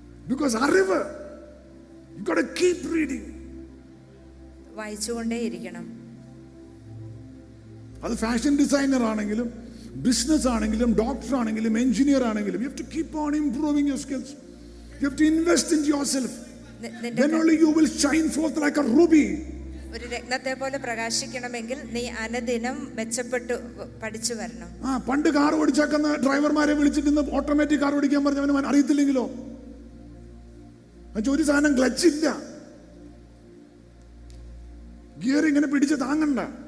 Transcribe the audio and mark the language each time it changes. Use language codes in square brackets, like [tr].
[en] Because arrive, you got to keep reading. [ml] വായിച്ചുകൊണ്ടേ ഇരിക്കണം. അത് fashion designer ആണെങ്കിലും ബിസിനസ് ആണെങ്കിലും ഡോക്ടർ ആണെങ്കിലും എഞ്ചിനീയർ ആണെങ്കിലും, [en] you have to keep on improving your skills. You have to invest in yourself. Then only you will shine forth like a ruby. [ml] ഒരു രത്നത്തെ പോലെ പ്രകാശിക്കണമെങ്കിൽ നീ അനുദിനം മെച്ചപ്പെട്ടു പഠിച്ചു വരണം. ആ, പണ്ട് കാർ ഓടിച്ചാക്കുന്ന ഡ്രൈവർമാരെ വിളിച്ചിട്ട് ഇന്ന് ഓട്ടോമാറ്റിക് കാർ ഓടിക്കാൻ പറഞ്ഞ അവൻ അറിയത്തില്ലെങ്കിലോ. ഒരു സാധനം ക്ലച്ച് ഇല്ല, ഗിയർ ഇങ്ങനെ പിടിച്ച് താങ്ങണ്ട.